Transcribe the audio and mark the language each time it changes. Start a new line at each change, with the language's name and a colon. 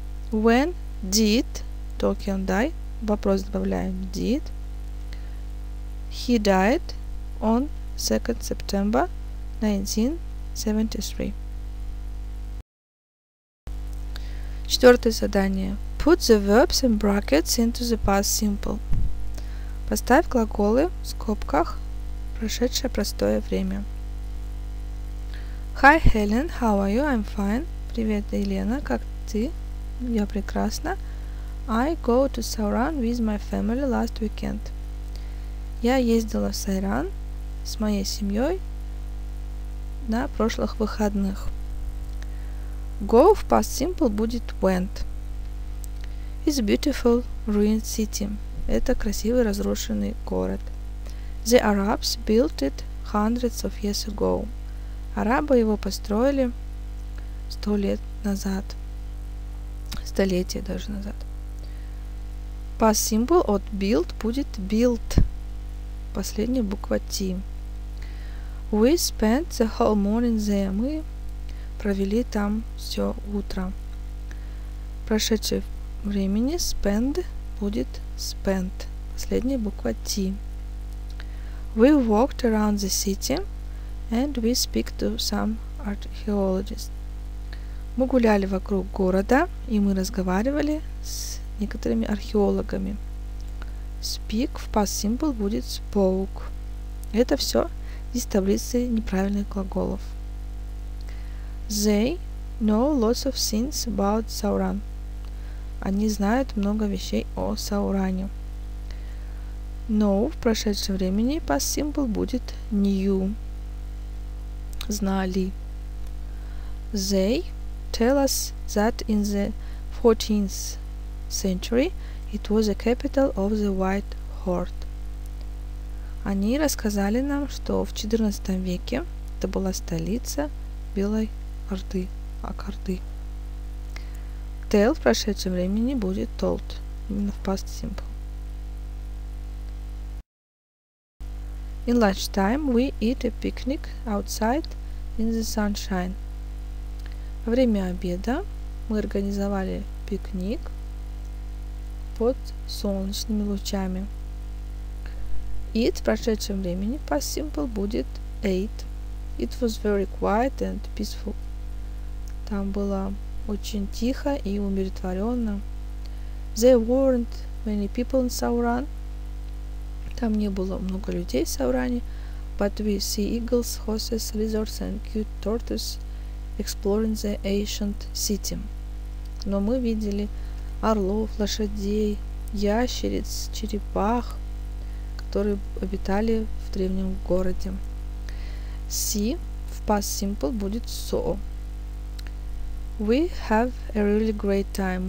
English: When did Tolkien die?
Russian: Вопрос добавляем.
English: Did. He died on 2 September 1973.
Russian: Четвертое задание.
English: Put the verbs in brackets into the past simple.
Russian: Поставь глаголы в скобках прошедшее простое время.
English: Hi, Helen. How are you? I'm fine.
Russian: Привет, Елена. Как ты? Я прекрасна.
English: I go to Sauron with my family last weekend.
Russian: Я ездила в Сауран с моей семьей на прошлых выходных.
English: Go
Russian: в
English: past simple
Russian: будет
English: went. It's a beautiful ruined city.
Russian: Это красивый разрушенный город.
English: The Arabs built it hundreds of years ago.
Russian: Арабы его построили 100 лет назад. Столетие даже назад. Past simple от built будет built. Последняя буква T.
English: We spent the whole morning there.
Russian: Мы провели там все утро. Прошедшее времени spend будет spent. Последняя буква T.
English: We walked around the city and we speak to some archaeologists.
Russian: Мы гуляли вокруг города, и мы разговаривали с некоторыми археологами.
English: Speak
Russian: в
English: past simple
Russian: будет
English: spoke.
Russian: Это все из таблицы неправильных глаголов.
English: They know lots of things about Sauron.
Russian: Они знают много вещей о Сауране. Know в прошедшем времени past simple будет knew. Знали.
English: They tell us that in the 14th century it was the capital of the White Horde.
Russian: Они рассказали нам, что в 14 веке это была столица Белой Орды. Орды. Tell в прошедшем времени будет told. Именно в past simple.
English: In lunchtime we eat a picnic outside in the sunshine.
Russian: Во время обеда мы организовали пикник под солнечными лучами. Eat в прошедшем времени past simple будет ate.
English: It was very quiet and peaceful.
Russian: Там было очень тихо и умиротворенно.
English: There weren't many people in Sauron.
Russian: Там не было много людей в Сауране.
English: But we see eagles, horses, lizards and cute tortoises exploring the ancient city.
Russian: но мы видели орлов, лошадей, ящериц, черепах, которые обитали в древнем городе.
English: See
Russian: в
English: past simple
Russian: будет
English: saw. We have a really great time.